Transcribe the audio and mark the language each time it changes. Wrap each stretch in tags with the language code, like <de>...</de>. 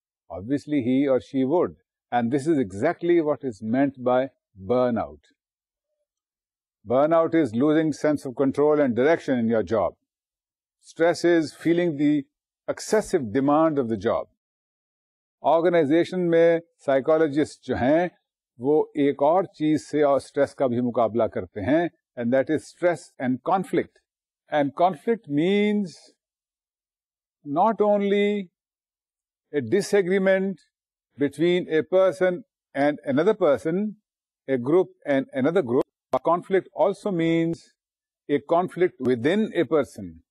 <en>Obviously he or she would, and this is exactly what is meant by burnout. Burnout is losing sense of control and direction in your job. Stress is feeling the excessive demand of the job.</en> <ur>Organization mein psychologists jo hain وہ ایک اور چیز سے اور stress کا بھی مقابلہ کرتے ہیں,</ur> <en>And that is stress and conflict. And conflict means not only a disagreement between a person and another person, a group and another group, conflict also means a conflict within a person.</en>